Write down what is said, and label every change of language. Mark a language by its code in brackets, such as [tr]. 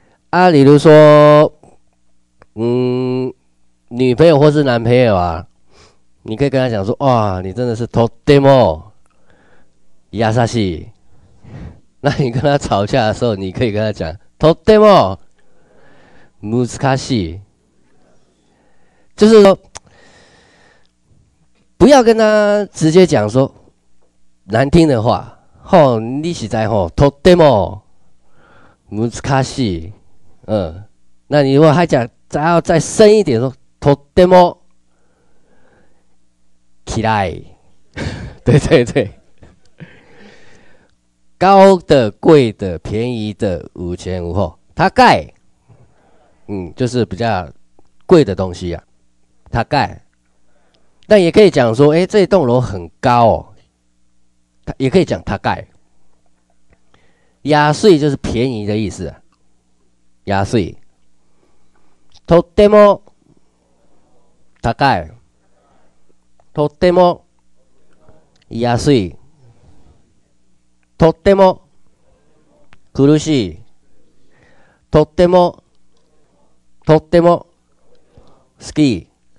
[zh] 啊，例如说，女朋友或是男朋友啊，你可以跟他讲说，哇，你真的是 [ja] とっても優しい。 [zh] 那你跟他吵架的时候，你可以跟他讲 [ja] とっても難しい， [zh] 就是说不要跟他直接讲说难听的话。哦，你实在哦， [ja] とっても難しい。 [zh] 那你如果还讲，再要再深一点说， [ja] とっても嫌い。 [zh] 对对对。高的、贵的、便宜的、无前无后，他盖，就是比较贵的东西啊，他盖。但也可以讲说，这栋楼很高哦，他也可以讲他盖。压岁就是便宜的意思、啊，压岁。 [ja] とっても高い，とっても安い。とっても苦しい。とっても、とっても好き。